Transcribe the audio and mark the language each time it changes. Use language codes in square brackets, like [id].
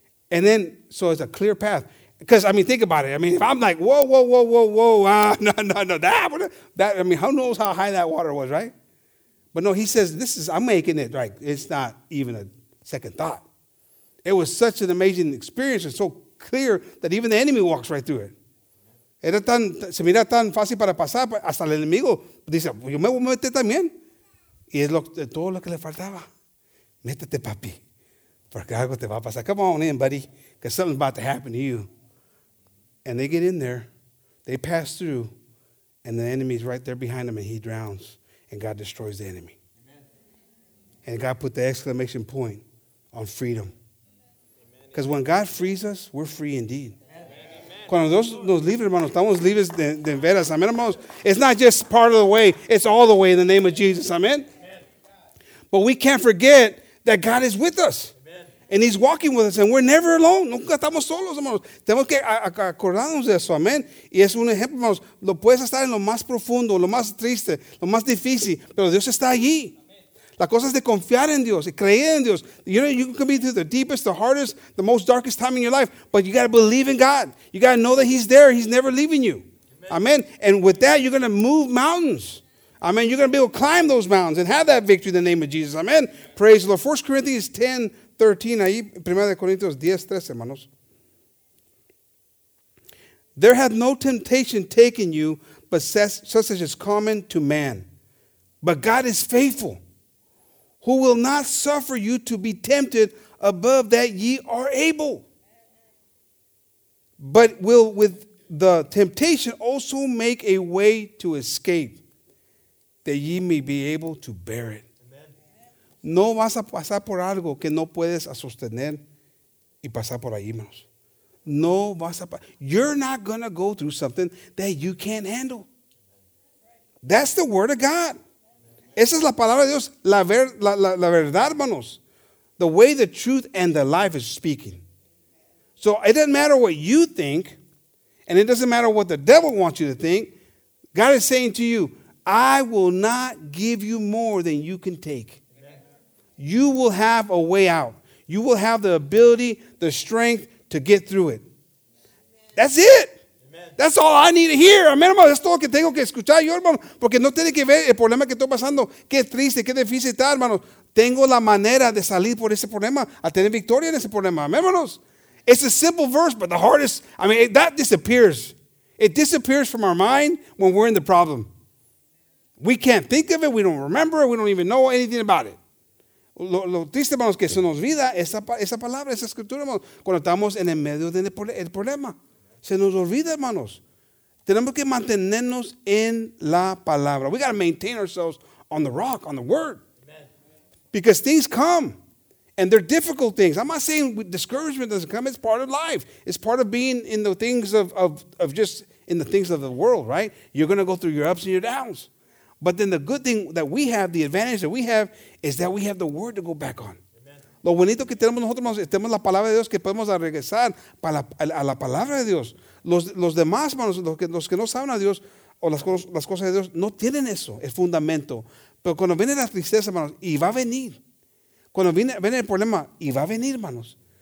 [en] And then, so it's a clear path. Because, I mean, think about it. I mean, if I'm like, whoa, that, I mean, who knows how high that water was, right? But no, he says, I'm making it, like, it's not even a second thought. It was such an amazing experience and so clear that even the enemy walks right through it. [es] Era tan, se mira tan fácil para pasar, hasta el enemigo dice, yo me voy a meter también. Y es todo lo que le faltaba. Métete, papi, porque algo te va a pasar. [en] Come on in, buddy, because something's about to happen to you. And they get in there, they pass through, and the enemy's right there behind them, and he drowns. And God destroys the enemy. Amen. And God put the exclamation point on freedom. Because when God frees us, we're free indeed. Amen. [es] Cuando nos libres, hermanos, estamos libres de veras. [en] Amen, hermanos. It's not just part of the way. It's all the way in the name of Jesus. Amen. Amen. But we can't forget that God is with us. And he's walking with us, and we're never alone. [es] Nunca estamos solos, hermanos. Tenemos que acordarnos de eso, amén. Y es un ejemplo, hermanos. Lo puedes estar en lo más profundo, lo más triste, lo más difícil, pero Dios está allí. La cosa es de confiar en Dios y creer en Dios. [en] You know, you can be through the deepest, the hardest, the most darkest time in your life, but you got to believe in God. You got to know that he's there. He's never leaving you. Amén. And with that, you're going to move mountains. Amén. You're going to be able to climb those mountains and have that victory in the name of Jesus. Amén. Praise the Lord. 1 Corinthians 10:13, ahí, 1 Corinthians 10:13, hermanos. There hath no temptation taken you, but such as is common to man. But God is faithful, who will not suffer you to be tempted above that ye are able, but will with the temptation also make a way to escape, that ye may be able to bear it. [es] No vas a pasar por algo que no puedes sostener y pasar por ahí, hermanos. No vas a pasar. [en] You're not going to go through something that you can't handle. That's the word of God. [es] Esa es la palabra de Dios. La verdad, hermanos. [en] The way the truth and the life is speaking. So it doesn't matter what you think, and it doesn't matter what the devil wants you to think. God is saying to you, I will not give you more than you can take. You will have a way out. You will have the ability, the strength to get through it. Amen. That's it. Amen. That's all I need to hear. Amén, hermano. [es] Es todo que tengo que escuchar yo, hermano. Porque no tiene que ver el problema que estoy pasando. Qué triste, qué difícil está, hermano. Tengo la manera de salir por ese problema, a tener victoria en ese problema. Amén, hermanos. [en] It's a simple verse, but the hardest, I mean, that disappears. It disappears from our mind when we're in the problem. We can't think of it. We don't remember it. We don't even know anything about it. [es] Lo triste, hermanos, que se nos olvida esa palabra, esa escritura, hermanos, cuando estamos en el medio del problema. Se nos olvida, hermanos. Tenemos que mantenernos en la palabra. [en] We got to maintain ourselves on the rock, on the word. Because things come, and they're difficult things. I'm not saying discouragement doesn't come. It's part of life. It's part of being in the things of just in the things of the world, right? You're going to go through your ups and your downs. But then the good thing that we have, the advantage that we have, is that we have the word to go back on. Amen. [es] Lo bonito que tenemos nosotros, tenemos la palabra de Dios que podemos regresar a la palabra de Dios. Los demás, hermanos, los que no saben a Dios o las cosas de Dios, no tienen eso, el fundamento. Pero cuando viene la tristeza, hermanos, y va a venir. Cuando viene el problema, y va a venir, hermanos.